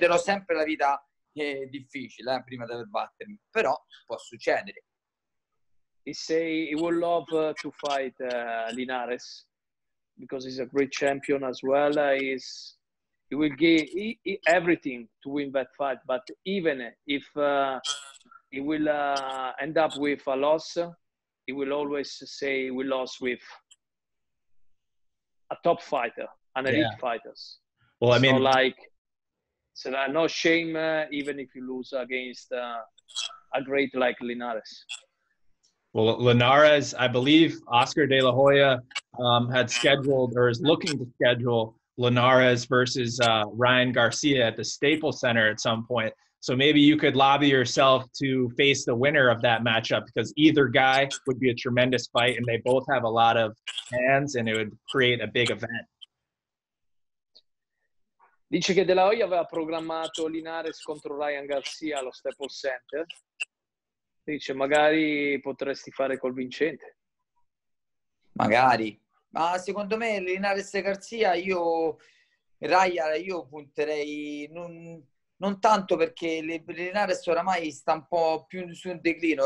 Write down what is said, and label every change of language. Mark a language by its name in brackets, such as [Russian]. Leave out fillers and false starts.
[Italian] Gli renderò sempre la vita difficile prima di battermi, però può succedere. [English] He say he would love to fight Linares because he's a great champion as well. He will give everything to win that fight, but even if he will end up with a loss, he will always say we lost with a top fighter, an elite fighters. Well, I mean, so no shame even if you lose against a great like Linares. Well, Linares, I believe Oscar De La Hoya had scheduled or is looking to schedule Linares versus Ryan Garcia at the Staples Center at some point. So maybe you could lobby yourself to face the winner of that matchup, because either guy would be a tremendous fight, and they both have a lot of hands, and it would create a big event. [Italian] Dice che De La Hoya aveva programmato Linares contro Ryan Garcia allo Staples Center. Dice magari potresti fare col vincente. Magari. Ma secondo me Linares e Garcia, io Raya, io punterei non tanto, perché Linares oramai sta un po' più su un declino.